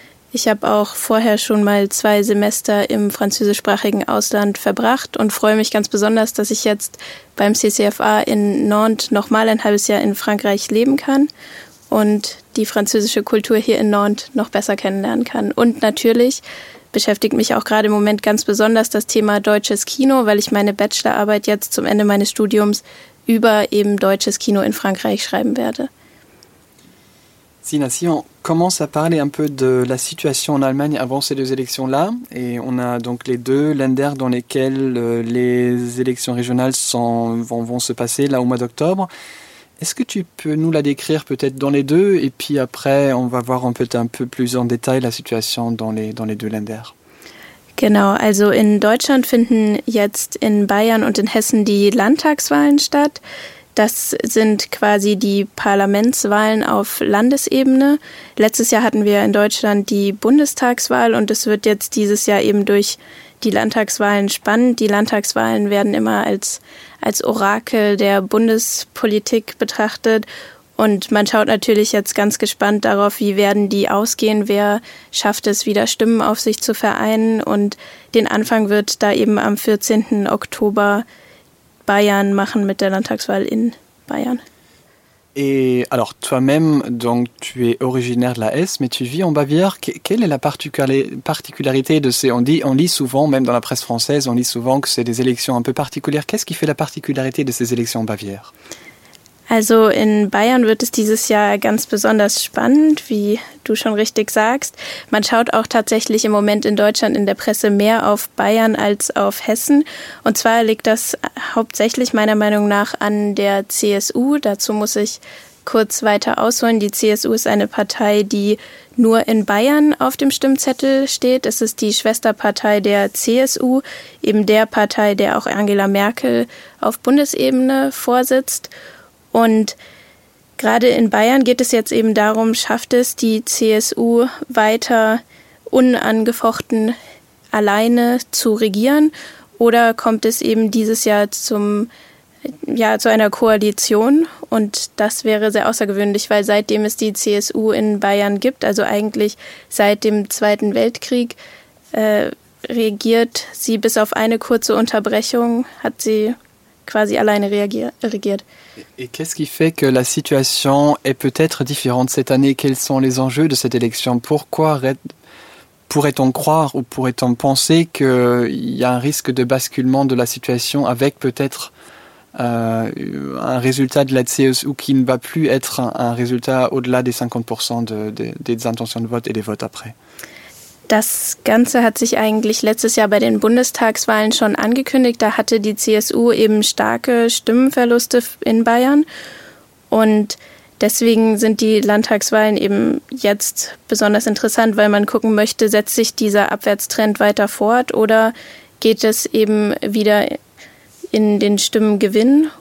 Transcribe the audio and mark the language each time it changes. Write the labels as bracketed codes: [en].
[de] Ich habe auch vorher schon mal 2 Semester im französischsprachigen Ausland verbracht und freue mich ganz besonders, dass ich jetzt beim CCFA in Nantes noch mal ein halbes Jahr in Frankreich leben kann und die französische Kultur hier in Nantes noch besser kennenlernen kann. Und natürlich beschäftigt mich auch gerade im Moment ganz besonders das Thema deutsches Kino, weil ich meine Bachelorarbeit jetzt zum Ende meines Studiums über eben deutsches Kino in Frankreich schreiben werde. [fr] Sina, si on commence à parler un peu de la situation en Allemagne avant ces 2 élections-là, et on a donc les 2 Länder dans lesquels les élections régionales vont se passer là au mois d'octobre. Est-ce que tu peux nous la décrire peut-être dans les 2, et puis après on va voir un peu plus en détail la situation dans les 2 Länder. [de] Genau, also in Deutschland finden jetzt in Bayern und in Hessen die Landtagswahlen statt. Das sind quasi die Parlamentswahlen auf Landesebene. Letztes Jahr hatten wir in Deutschland die Bundestagswahl und es wird jetzt dieses Jahr eben durch die Landtagswahlen spannend. Die Landtagswahlen werden immer als Orakel der Bundespolitik betrachtet. Und man schaut natürlich jetzt ganz gespannt darauf, wie werden die ausgehen, wer schafft es, wieder Stimmen auf sich zu vereinen. Und den Anfang wird da eben am 14. Oktober Bayern machen mit der Landtagswahl in Bayern. [fr] Et alors toi-même, donc tu es originaire de la Hesse, mais tu vis en Bavière. Quelle est la particularité de ces... On lit souvent, même dans la presse française, on lit souvent que c'est des élections un peu particulières. Qu'est-ce qui fait la particularité de ces élections en Bavière? [de] Also in Bayern wird es dieses Jahr ganz besonders spannend, wie du schon richtig sagst. Man schaut auch tatsächlich im Moment in Deutschland in der Presse mehr auf Bayern als auf Hessen. Und zwar liegt das hauptsächlich meiner Meinung nach an der CSU. Dazu muss ich kurz weiter ausholen. Die CSU ist eine Partei, die nur in Bayern auf dem Stimmzettel steht. Es ist die Schwesterpartei der CSU, eben der Partei, der auch Angela Merkel auf Bundesebene vorsitzt. Und gerade in Bayern geht es jetzt eben darum, schafft es die CSU weiter unangefochten alleine zu regieren oder kommt es eben dieses Jahr zu einer Koalition? Und das wäre sehr außergewöhnlich, weil seitdem es die CSU in Bayern gibt, also eigentlich seit dem Zweiten Weltkrieg, regiert sie bis auf eine kurze Unterbrechung, hat sie quasi alleine regiert. [fr] Et qu'est-ce qui fait que la situation est peut-être différente cette année? Quels sont les enjeux de cette élection? Pourquoi pourrait-on croire ou pourrait-on penser qu'il y a un risque de basculement de la situation avec peut-être un résultat de la CSU qui ne va plus être un résultat au-delà des 50% des intentions de vote et des votes après? [de] Das Ganze hat sich eigentlich letztes Jahr bei den Bundestagswahlen schon angekündigt. Da hatte die CSU eben starke Stimmenverluste in Bayern. Und deswegen sind die Landtagswahlen eben jetzt besonders interessant, weil man gucken möchte, setzt sich dieser Abwärtstrend weiter fort oder geht es eben wieder in den Stimmengewinn?